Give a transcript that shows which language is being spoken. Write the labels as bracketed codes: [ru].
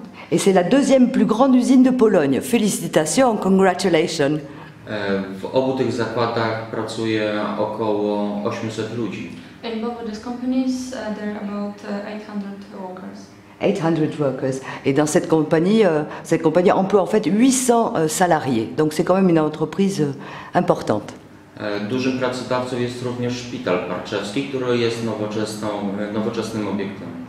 [fr] Et c'est la deuxième plus grande usine de Pologne. Félicitations, [en] congratulations. [pl] W obu tych zakładach pracuje około 800 ludzi. [en] In both of these companies, there are about 800 workers. 800 workers. [fr] Et dans cette compagnie emploie en fait 800 salariés. Donc c'est quand même une entreprise importante. [pl] Dużym pracodawcą jest również szpital parczewski, który jest nowoczesnym obiektem.